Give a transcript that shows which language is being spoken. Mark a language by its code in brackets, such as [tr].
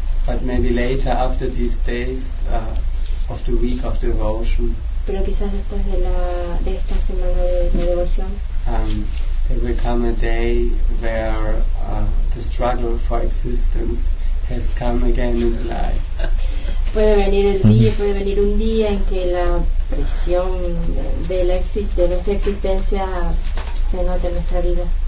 [en] But maybe later, after these days of the week of devotion. [es] Pero quizás después de esta semana de devoción. [en] There will come a day where the struggle for existence has come again in the life. [es] Puede venir el día, puede venir un día en que la presión de nuestra existencia se note en nuestra vida.